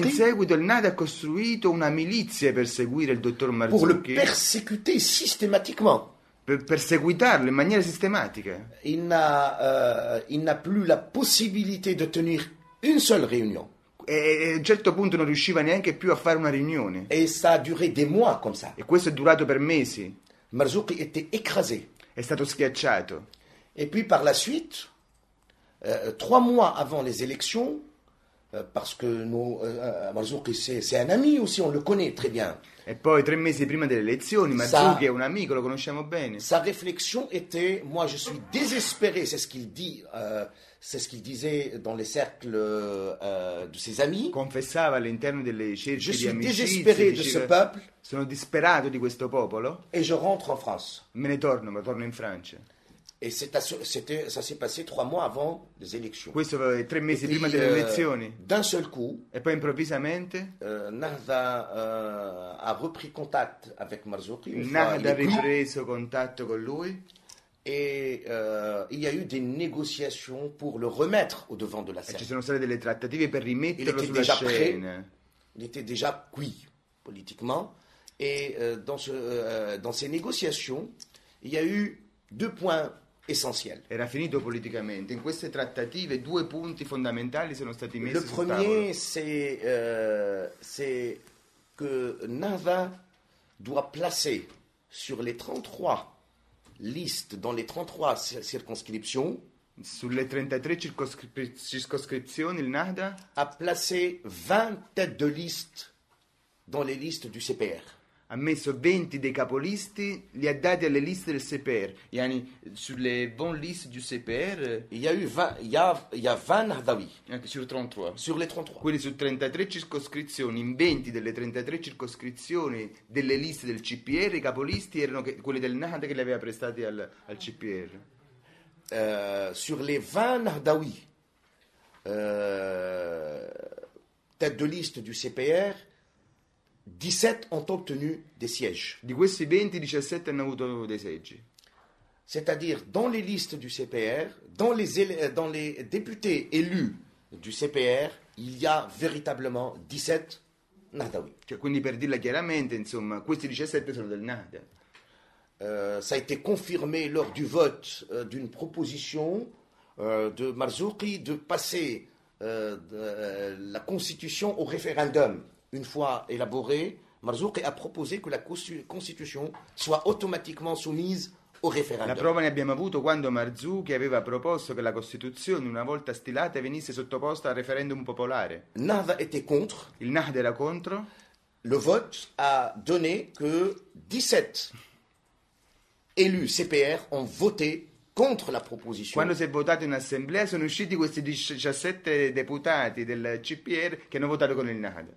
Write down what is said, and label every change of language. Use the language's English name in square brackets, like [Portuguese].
[Italian] Poi, in seguito, il Nada a costruito una milizia per seguire il dottor Marzouki. [French] Pour le persécuter systématiquement. [Italian] Per perseguitarlo in maniera sistematica. [French] Il n'a plus la possibilité de tenir une seule réunion. [Italian] E a un certo punto non riusciva neanche più a fare una riunione. [French] E ça a duré des mois comme ça. [Italian] E questo è durato per mesi. [French] Marzouk était écrasé. [Italian] È stato schiacciato. [French] Et puis par la suite, trois mois avant les élections, parce que Marzouk c'est un ami aussi, on le connaît très bien. [Italian] E poi tre mesi prima delle elezioni, Marzouk è un amico, lo conosciamo bene. [French] Sa réflexion était, moi je suis désespéré, c'est ce qu'il dit. C'est ce qu'il disait dans les cercles de ses amis. [Italian] Confessava all'interno delle cerchi di amicizia. [French] Je suis désespéré de ce peuple. [Italian] Sono disperato di questo popolo. [French] Et je rentre en France. [Italian] Me ne torno in Francia. [French] Et ça s'est passé trois mois avant les élections. [Italian] Questo è tre mesi prima delle elezioni. [French] D'un seul coup. [Italian] E poi improvvisamente. [French] Nahda a repris contact avec Marzouki. [Italian] Nahda ha ripreso contatto con lui. [French] Et il y a eu des négociations pour le remettre au devant de la scène. [Italian] Ci sono state delle trattative per rimetterlo sulla scena. [French] Il était Il était déjà cuit politiquement. Et dans ces négociations, il y a eu deux points essentiels. [Italian] Era finito politicamente. In queste trattative, due punti fondamentali sono stati messi sul tavolo. [French] Le premier, c'est que Nava doit placer sur les 33 listes, dans les 33 circonscriptions, [Italian] sulle 33 circoscrizioni, il NADA [French] a placé 20 têtes de liste dans les listes du CPR. [Italian] Ha messo 20 dei capolisti, li ha dati alle liste del CPR. Yani, sulle buone liste [French] du CPR. Il y a 20 Nahdawi. [Italian] Anche [French] sur 33. Sur les 33. [Italian] Quindi su 33 circoscrizioni, in 20 delle 33 circoscrizioni delle liste del CPR, i capolisti erano quelli del NADA che li aveva prestati al CPR. [French] Sur les 20 Nahdawi, tête de liste du CPR, 17 ont obtenu des sièges. [Italian] Di questi 20, 17 hanno avuto dei seggi. [French] C'est-à-dire, dans les listes du CPR, dans les députés élus du CPR, il y a véritablement 17 Nahdawi. [Italian] Cioè, quindi per dirla chiaramente, insomma, questi 17 sono del NADA. [French] Ça a été confirmé lors du vote d'une proposition de Marzouki de passer la constitution au référendum. Une fois élaborée, Marzouki a proposé que la constitution soit automatiquement soumise au référendum. [Italian] La prova ne abbiamo avuto quando Marzouki aveva proposto che la Costituzione, una volta stilata, venisse sottoposta al referendum popolare. [French] Nahda était contre. [Italian] Il Nahda era contro. [French] Le vote a donné que 17 élus CPR ont voté contre la proposition. [Italian] Quando si è votato in assemblea sono usciti questi 17 deputati del CPR che hanno votato con il NADA.